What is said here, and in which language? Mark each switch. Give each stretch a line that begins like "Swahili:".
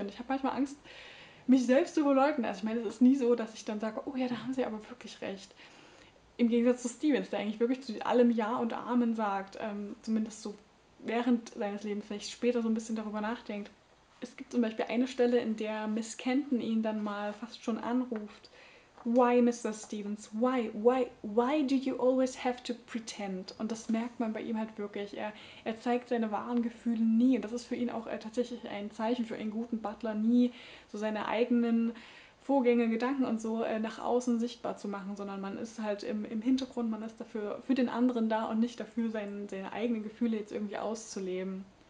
German: Und ich habe manchmal Angst, mich selbst zu verleugnen. Also ich meine, es ist nie so, dass ich dann sage, oh ja, da haben sie aber wirklich recht. Im Gegensatz zu Stevens, der eigentlich wirklich zu allem Ja und Amen sagt, zumindest so während seines Lebens, vielleicht später so ein bisschen darüber nachdenkt. Es gibt zum Beispiel eine Stelle, in der Miss Kenton ihn dann mal fast schon anruft.
English: Why, Mr. Stevens? Why do you always have to pretend?
German: Und das merkt man bei ihm halt wirklich. Er zeigt seine wahren Gefühle nie. Und das ist für ihn auch tatsächlich ein Zeichen für einen guten Butler, nie so seine eigenen Vorgänge, Gedanken und so nach außen sichtbar zu machen, sondern man ist halt im Hintergrund, man ist dafür für den anderen da und nicht dafür, seine eigenen Gefühle jetzt irgendwie auszuleben.